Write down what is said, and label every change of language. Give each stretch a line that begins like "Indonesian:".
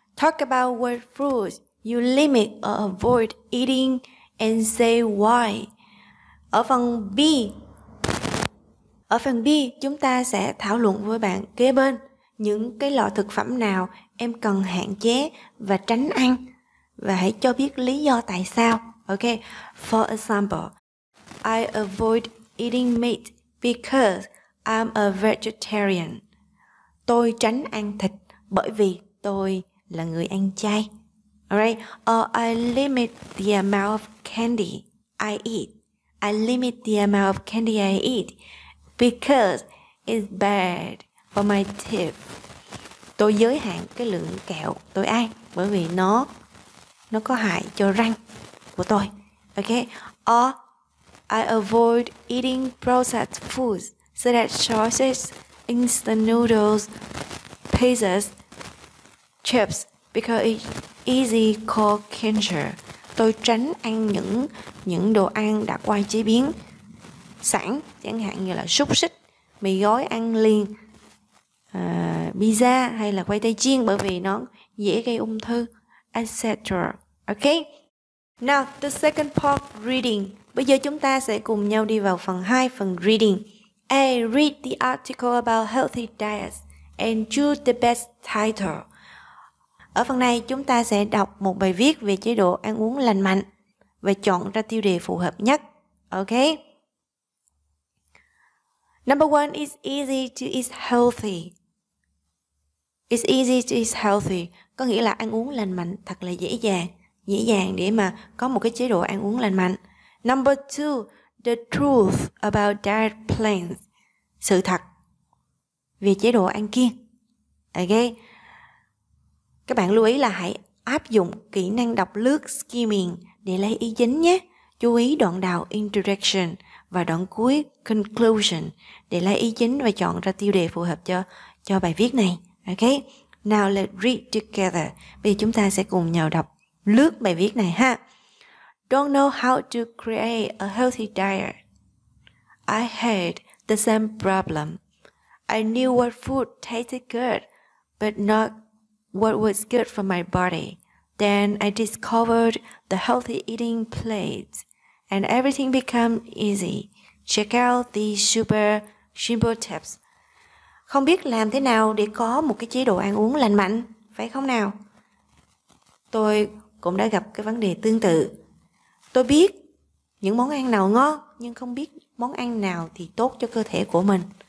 English: Talk about what foods you limit or avoid eating and say why.
Vietnamese: Ở phần B, chúng ta sẽ thảo luận với bạn kế bên những cái loại thực phẩm nào em cần hạn chế và tránh ăn. Và hãy cho biết lý do tại sao.
English: Okay, for example, I avoid eating meat because I'm a vegetarian.
Vietnamese: Tôi tránh ăn thịt bởi vì tôi là người ăn chay.
English: Alright, or I limit the amount of candy I eat. I limit the amount of candy I eat because it's bad for my teeth.
Vietnamese: Tôi giới hạn cái lượng kẹo tôi ăn bởi vì nó có hại cho răng của tôi.
English: Okay, or I avoid eating processed foods so that sausages, instant noodles, pizzas, chips because it's easy for cancer.
Vietnamese: Tôi tránh ăn những đồ ăn đã qua chế biến sẵn, chẳng hạn như là xúc xích, mì gói ăn liền, pizza hay là khoai tây chiên bởi vì nó dễ gây ung thư, etc. Okay?
English: Now, the second part, reading.
Vietnamese: Bây giờ chúng ta sẽ cùng nhau đi vào phần 2, phần reading.
English: A. Read the article about healthy diets and choose the best title.
Vietnamese: Ở phần này, chúng ta sẽ đọc một bài viết về chế độ ăn uống lành mạnh và chọn ra tiêu đề phù hợp nhất. Okay?
English: Number one, it's easy to eat healthy. It's easy to eat healthy.
Vietnamese: Có nghĩa là ăn uống lành mạnh thật là dễ dàng. Dễ dàng để mà có một cái chế độ ăn uống lành mạnh.
English: Number two, the truth about diet plans.
Vietnamese: Sự thật về chế độ ăn kiêng. Okay? Các bạn lưu ý là hãy áp dụng kỹ năng đọc lướt skimming để lấy ý chính nhé. Chú ý đoạn đầu introduction và đoạn cuối conclusion để lấy ý chính và chọn ra tiêu đề phù hợp cho bài viết này. Okay?
English: Now let's read together.
Vietnamese: Bây giờ chúng ta sẽ cùng nhau đọc lướt bài viết này ha.
English: Don't know how to create a healthy diet. I had the same problem. I knew what food tasted good, but not what was good for my body. Then I discovered the healthy eating plate, and everything became easy. Check out these super simple tips.
Vietnamese: Không biết làm thế nào để có một cái chế độ ăn uống lành mạnh, phải không nào? Tôi cũng đã gặp cái vấn đề tương tự. Tôi biết những món ăn nào ngon, nhưng không biết món ăn nào thì tốt cho cơ thể của mình.